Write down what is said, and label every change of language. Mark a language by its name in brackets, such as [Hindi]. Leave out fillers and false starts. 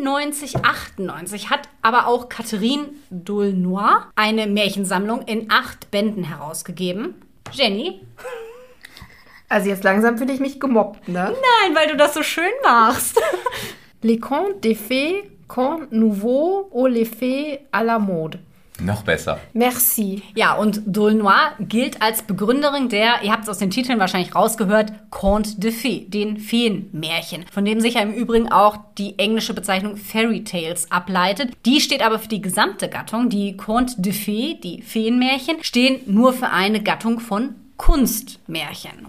[German] 1697-98 hat aber auch Catherine d'Aulnoy eine Märchensammlung in 8 Bänden herausgegeben. Jenny? Also jetzt langsam finde ich mich gemobbt, ne? Nein, weil du das so schön machst. [French] Les contes des fées, contes nouveaux ou les fées à la mode. [German] Noch besser. [French] Merci. [German] Ja, und d'Aulnoy gilt als Begründerin der, ihr habt es aus den Titeln wahrscheinlich rausgehört, Conte de Fées, den Feenmärchen, von dem sich ja im Übrigen auch die englische Bezeichnung Fairy Tales ableitet. Die steht aber für die gesamte Gattung. Die Conte de Fées, die Feenmärchen, stehen nur für eine Gattung von Kunstmärchen.